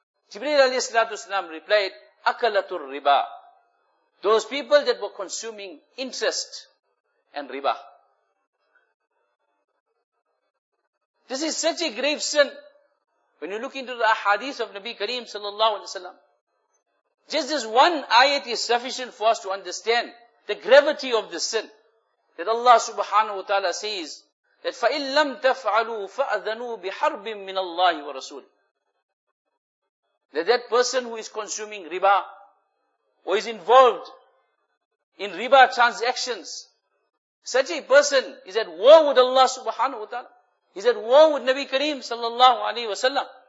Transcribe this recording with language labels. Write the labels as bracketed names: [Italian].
[English] Jibreel alayhi salatu wasalam replied, akalatur riba, those people that were consuming interest and riba. This is such a grave sin. When you look into the hadith of Nabi Kareem sallallahu alaihi wasallam, Just this one ayat is sufficient for us to understand the gravity of the sin. That Allah subhanahu wa ta'ala says that [Arabic] فَإِن لَمْ تَفْعَلُوا فَأَذَنُوا بِحَرْبٍ مِّنَ اللَّهِ وَرَسُولِ. [English] That person who is consuming riba or is involved in riba transactions, such a person is at war with Allah subhanahu wa ta'ala. He's at war with Nabi Kareem sallallahu alayhi wa sallam.